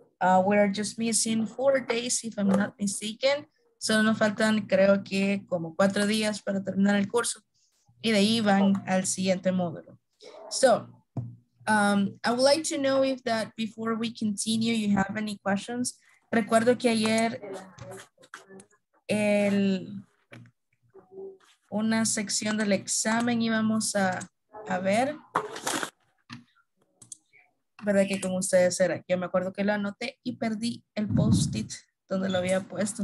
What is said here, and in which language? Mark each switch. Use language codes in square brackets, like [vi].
[en] We're just missing 4 days, if I'm not mistaken. [es] Solo nos faltan, creo que, como 4 días para terminar el curso. Y de ahí van al siguiente módulo. So, I would like to know if that, before we continue, you have any questions. Recuerdo que ayer una sección del examen íbamos a ver. ¿Verdad que con ustedes era? Yo me acuerdo que lo anoté y perdí el post-it donde lo había puesto.